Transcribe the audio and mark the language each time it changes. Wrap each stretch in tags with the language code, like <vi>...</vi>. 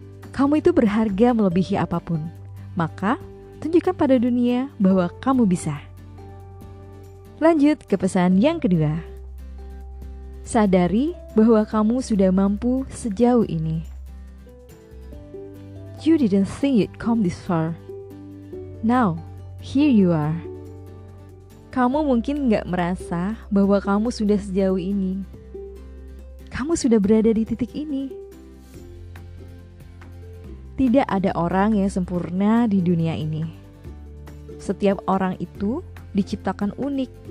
<id>Kamu itu berharga melebihi apapun. Maka, tunjukkan pada dunia bahwa kamu bisa. Lanjut ke pesan yang kedua. Sadari bahwa kamu sudah mampu sejauh ini.</id> <en>You didn't think you'd come this far. Now, here you are.</en> <id>Kamu mungkin gak merasa bahwa kamu sudah sejauh ini. Kamu sudah berada di titik ini. Tidak ada orang yang sempurna di dunia ini. Setiap orang itu diciptakan unik.</id>